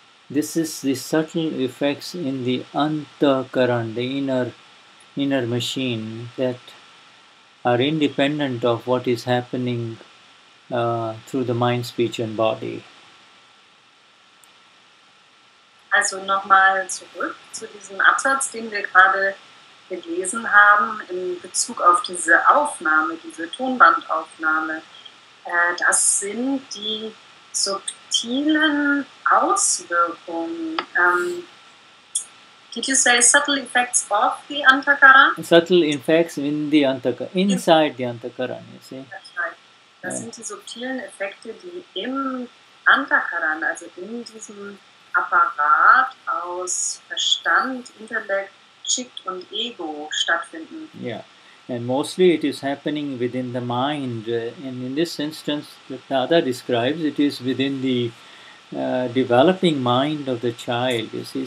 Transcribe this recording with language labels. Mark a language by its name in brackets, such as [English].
[English] This is the subtle effects in the antakaran, the inner machine, that are independent of what is happening through the mind, speech and body. [German] Also nochmal zurück zu diesem Absatz, den wir gerade gelesen haben, in Bezug auf diese Aufnahme, diese Tonbandaufnahme. Das sind die subtilen Auswirkungen. [English] Did you say subtle effects of the antakaran? Subtle effects in the antakaran, inside the antakaran, you see. That's right. [German] Das sind die subtilen Effekte, die im antakaran, also in diesem Apparat aus Verstand, Intellekt, Chit und Ego stattfinden. [English] Yeah. And mostly it is happening within the mind. And in this instance, Dada describes, it is within the developing mind of the child, you see.